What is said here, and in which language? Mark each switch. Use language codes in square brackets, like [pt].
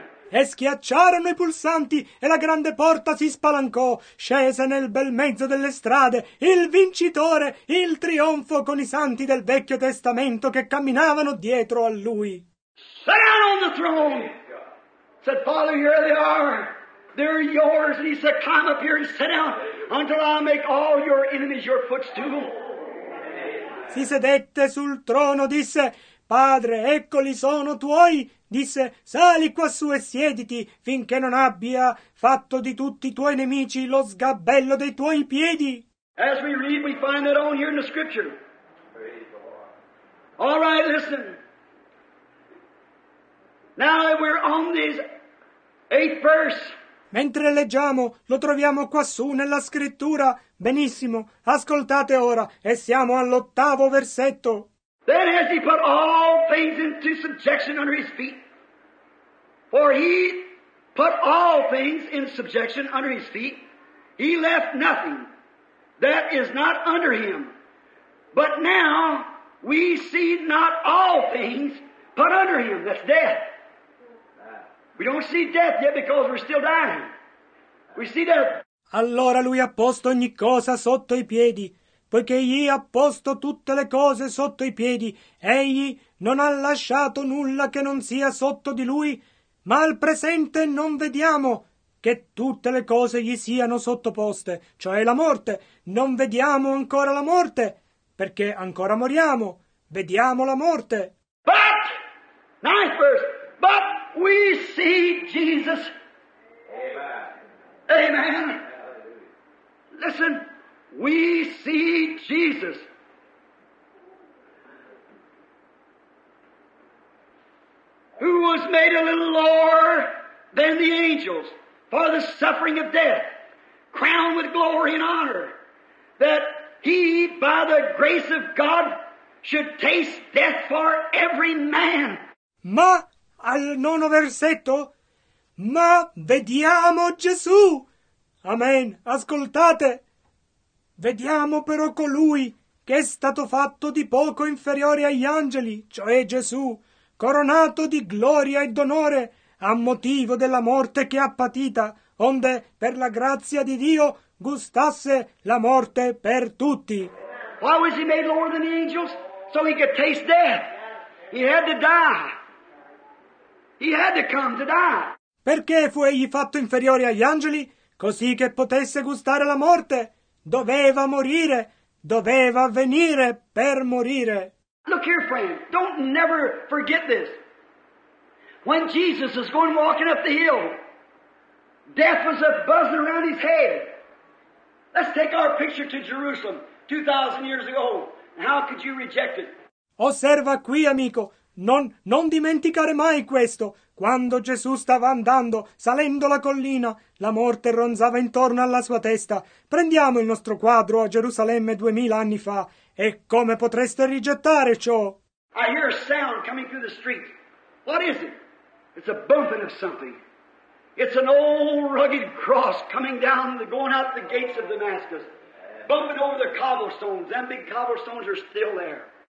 [it] E schiacciarono i pulsanti e la grande porta si spalancò, scese nel bel mezzo delle strade il vincitore, il trionfo, con i santi del Vecchio Testamento che camminavano dietro a lui. [en] Sit down on the throne, said Father, here they are, they're yours. And he said, climb up here and sit down until I make all your enemies your footstool. [it] Si sedette sul trono, disse, Padre, eccoli sono tuoi. Disse, sali quassù e siediti, finché non abbia fatto di tutti i tuoi nemici lo sgabello dei tuoi piedi. [en] As we read, we find that all here in the scripture. All right, listen. Now that we're on this eighth verse. [it] Mentre leggiamo, lo troviamo quassù nella scrittura. Benissimo, ascoltate ora, e siamo all'ottavo versetto. [en] Then has he put all things into subjection under his feet. For he put all things in subjection under his feet. He left nothing that is not under him. But now we see not all things put under him. That's death. We don't see death yet because we're still dying. We see death. [it] Allora lui ha posto ogni cosa sotto i piedi. Poiché egli ha posto tutte le cose sotto i piedi, egli non ha lasciato nulla che non sia sotto di lui, ma al presente non vediamo che tutte le cose gli siano sottoposte, cioè la morte. Non vediamo ancora la morte, perché ancora moriamo, vediamo la morte. [en] But, ninth verse, but we see Jesus. Amen. Amen. Listen. We see Jesus. Who was made a little lower than the angels for the suffering of death, crowned with glory and honor, that he, by the grace of God, should taste death for every man. [it] Ma, al nono versetto, ma vediamo Gesù. Amen. Ascoltate. Vediamo però colui che è stato fatto di poco inferiore agli angeli, cioè Gesù, coronato di gloria e d'onore, a motivo della morte che ha patita, onde per la grazia di Dio gustasse la morte per tutti. [en] Why was he made lower than the angels? So he could taste death. He had to die. He had to come to die. [it] Perché fu egli fatto inferiore agli angeli? Così che potesse gustare la morte. Doveva morire, doveva venire per morire. [en] Look here, friend, don't never forget this. When Jesus was going walking up the hill, death was a buzzing around his head. Let's take our picture to Jerusalem 2,000 years ago. How could you reject it? [it] Osserva qui, amico, Non dimenticare mai questo. Quando Gesù stava andando, salendo la collina, la morte ronzava intorno alla sua testa. Prendiamo il nostro quadro a Gerusalemme 2000 anni fa. E come potreste rigettare ciò? [en] I hear a sound coming through the street. What is it? It's a bumping of something. It's an old rugged cross coming down, going out the gates of Damascus. Bumping over the cobblestones. Them big cobblestones are still there.